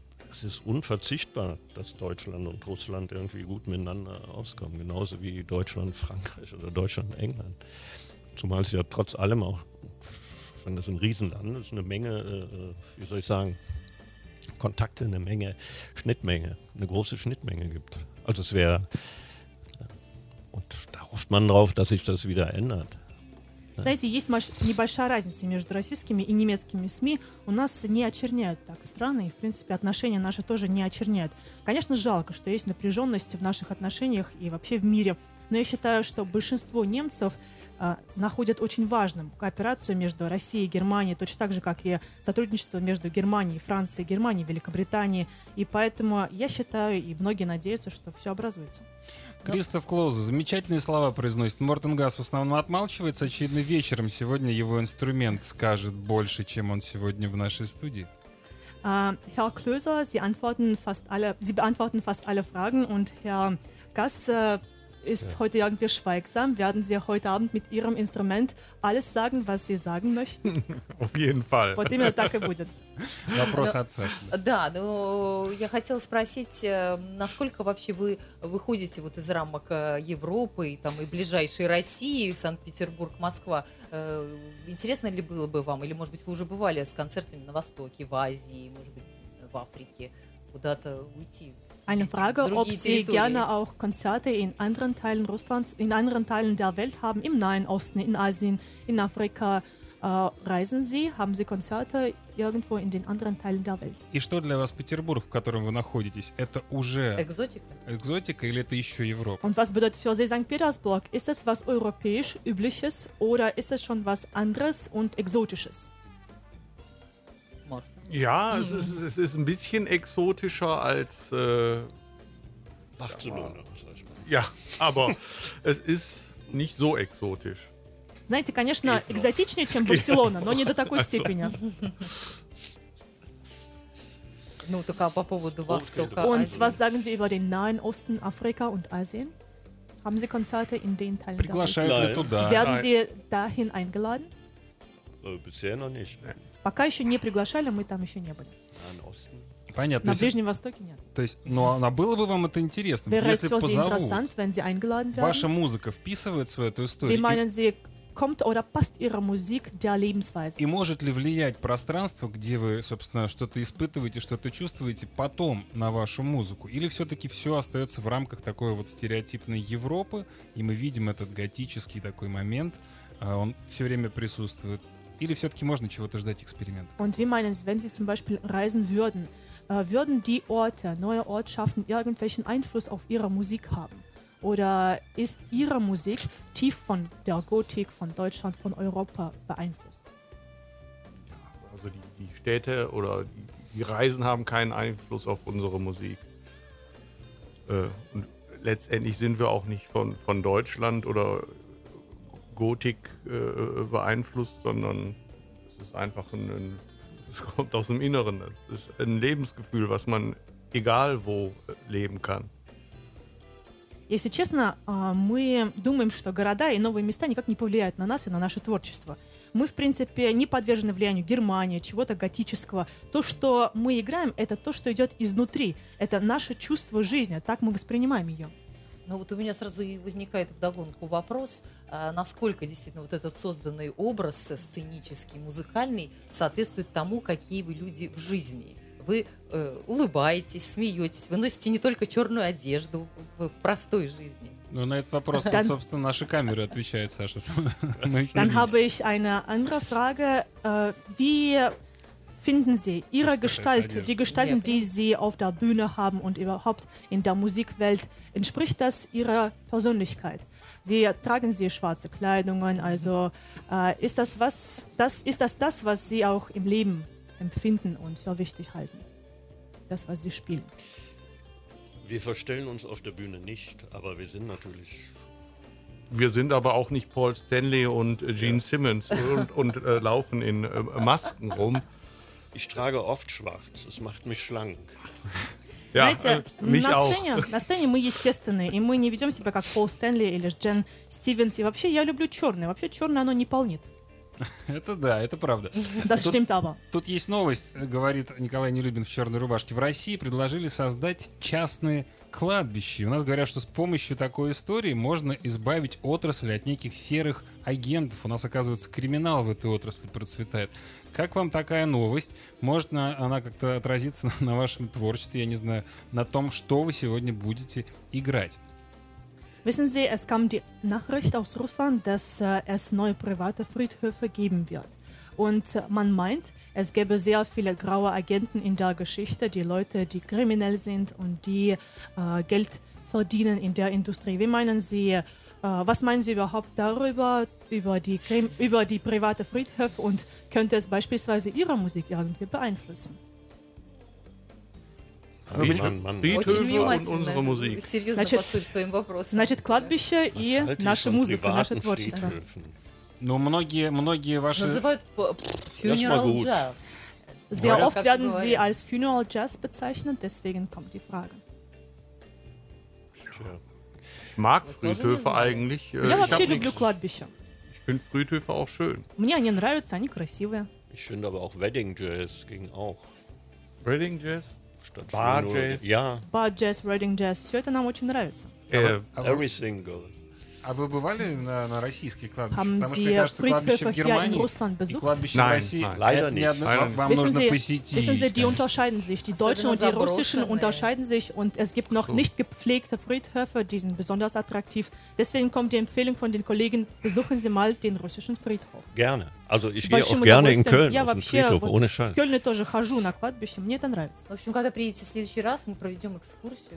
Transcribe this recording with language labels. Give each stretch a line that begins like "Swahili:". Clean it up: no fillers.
German: es ist unverzichtbar, dass Deutschland und Russland irgendwie gut miteinander auskommen, genauso wie Deutschland, Frankreich oder Deutschland, England, zumal es ja trotz allem auch, das ist ein Riesenland, das ist eine Menge, wie soll ich sagen, Kontakte, eine Menge, Schnittmenge, eine große Schnittmenge gibt. Also es wäre, und da hofft man drauf, dass sich das wieder ändert.
Russian: Знаете, есть небольшая разница между российскими и немецкими СМИ. У нас не очерняют так страны, и, в принципе, отношения наши тоже не очерняют. Конечно, жалко, что есть напряженность в наших отношениях и вообще в мире. Но я считаю, что большинство немцев находят очень важным кооперацию между Россией и Германией, точно так же, как и сотрудничество между Германией, Францией, Германией, Великобританией. И поэтому я считаю, и многие надеются, что все образуется. Кристоф Клоузе замечательные слова произносит. Мортен Гас в основном отмалчивается. Очевидно, вечером сегодня его инструмент скажет больше, чем он сегодня в нашей студии.
German: Herr Klöser, Sie beantworten fast alle Fragen und Herr Gas ist heute irgendwie schweigsam. Werden Sie heute Abend mit Ihrem Instrument alles sagen, was Sie sagen möchten? Auf jeden Fall.
Russian: Вот именно так и будет. Вопрос от Саши. Да, но я хотела спросить, насколько вообще вы выходите вот из рамок Европы и, там, и ближайшей России, Санкт-Петербург, Москва? Интересно ли было бы вам, или, может быть, вы уже бывали с концертами на Востоке, в Азии, может быть, в Африке, куда-то уйти?
German: Eine Frage, ob Sie gerne auch Konzerte in anderen Teilen Russlands, in anderen Teilen der Welt haben, im Nahen Osten, in Asien, in Afrika. Reisen Sie? Haben Sie Konzerte irgendwo in den anderen Teilen der Welt?
Russian: И что для вас Петербург, в котором вы находитесь, это уже экзотика или это еще Европа?
German: Und was bedeutet für Sie St. Petersburg? Ist es was europäisch Übliches oder ist es schon was anderes und Exotisches? Morten. Ja, es ist ein bisschen exotischer als Barcelona, sag ich mal. Ja, aber es ist nicht so exotisch.
Russian: Знаете, конечно, экзотичнее, чем Барселона, но не до такой степени. Ну, только по поводу Востока.
German: Und was sagen Sie über den Nahen Osten, Afrika und Asien? Haben Sie Konzerte in den Teilen?
Russian: Приглашают ли туда?
German: Werden Sie dahin eingeladen? Bisher noch nicht.
Russian: Пока еще не приглашали, мы там еще не были.
German: Nahen Osten.
Russian: Понятно. На Ближнем Востоке нет. То есть, ну, а было бы вам это интересно,
German: wäre
Russian: если позовут?
German: Wenn Sie eingeladen werden?
Russian: Ваша музыка вписывается в эту историю?
German: Wie meinen Sie, kommt oder passt Ihre Musik der Lebensweise?
Russian: И может ли влиять пространство, где вы, собственно, что-то испытываете, что-то чувствуете потом на вашу музыку? Или все-таки все остается в рамках такой вот стереотипной Европы, и мы видим этот готический такой момент, он все время присутствует? Или все-таки можно чего-то ждать эксперимента?
German: Und wie meinen Sie, wenn Sie zum Beispiel reisen würden, würden die Orte, neue Ortschaften irgendwelchen Einfluss auf Ihre Musik haben? Oder ist Ihre Musik tief von der Gotik, von Deutschland, von Europa beeinflusst? Ja, also die Städte oder die Reisen haben keinen Einfluss auf unsere Musik. Und letztendlich sind wir auch nicht von Deutschland oder Gotik beeinflusst, sondern es ist einfach es kommt aus dem Inneren. Es ist ein Lebensgefühl, was man egal wo leben kann.
Russian: Если честно, мы думаем, что города и новые места никак не повлияют на нас и на наше творчество. Мы, в принципе, не подвержены влиянию Германии, чего-то готического. То, что мы играем, это то, что идет изнутри. Это наше чувство жизни, так мы воспринимаем ее. Ну вот у меня сразу и возникает вдогонку вопрос, насколько действительно вот этот созданный образ сценический, музыкальный, соответствует тому, какие вы люди в жизни. Вы улыбаетесь, смеетесь, вы носите не только черную одежду в простой жизни. Ну, на этот вопрос, собственно, наши камеры отвечают, Саша.
German: Dann habe ich eine andere Frage. Wie finden Sie Ihre Gestalt, die Gestalt, die Sie auf der Bühne haben und überhaupt in der Musikwelt, entspricht das Ihrer Persönlichkeit? Sie tragen Sie schwarze Kleidungen, also ist das, was Sie auch im Leben empfinden und für wichtig halten, das, was sie spielen. Wir verstellen uns auf der Bühne nicht, aber wir sind natürlich... Wir sind aber auch nicht Paul Stanley und Gene Simmons und laufen in Masken rum. Ich trage oft schwarz, es macht mich schlank. Ja,
Russian: знаете,
German: mich auch.
Russian: На сцене мы естественны, и мы не ведем себя как Пол Стэнли или Джен Стивенс. И вообще, я люблю черный. Вообще, черное, оно не полнит. Это да, это правда.
German: Das stimmt aber.
Russian: Тут есть новость, говорит Николай Нелюбин в черной рубашке. В России предложили создать частные кладбища. У нас говорят, что с помощью такой истории можно избавить отрасль от неких серых агентов. У нас, оказывается, криминал в этой отрасли процветает. Как вам такая новость? Может, она как-то отразится на вашем творчестве, я не знаю, на том, что вы сегодня будете играть?
German: Wissen Sie, es kam die Nachricht aus Russland, dass es neue private Friedhöfe geben wird. Und man meint, es gäbe sehr viele graue Agenten in der Geschichte, die Leute, die kriminell sind und die Geld verdienen in der Industrie. Wie meinen Sie, was meinen Sie überhaupt darüber, über die private Friedhöfe und könnte es beispielsweise Ihre Musik irgendwie beeinflussen?
Russian: Значит, кладбище и наша музыка, наше творчество. Но многие ваши... Называют funeral jazz.
German: Sehr oft werden sie als funeral jazz bezeichnet, deswegen kommt die Frage. Ich mag Friedhöfe eigentlich.
Russian: Я вообще люблю кладбище.
German: Ich finde Friedhöfe auch schön.
Russian: Мне они нравятся, они красивые.
German: Ich finde aber auch Wedding Jazz ging auch. Wedding Jazz?
Russian: Bar-Jazz, Reading-Jazz, все это нам очень нравится. А вы бывали на российских кладбищах? Потому что, мне кажется, кладбище в Германии и кладбище в России – это не одно, вам нужно посетить.
German: Wissen Sie, die unterscheiden sich, die deutschen und die russischen unterscheiden sich und es gibt noch nicht gepflegte Friedhöfe, die sind besonders attraktiv. Deswegen kommt die Empfehlung von den Kollegen, besuchen Sie mal den russischen Friedhof. Gerne. Also ich gehe auch gerne in Köln,
Russian: я
German: auf den Friedhof,
Russian: вот
German: ohne Scheiß.
Russian: В Кёльне тоже хожу на кладбище, мне это нравится. В общем, когда приедете в следующий раз, мы проведем экскурсию.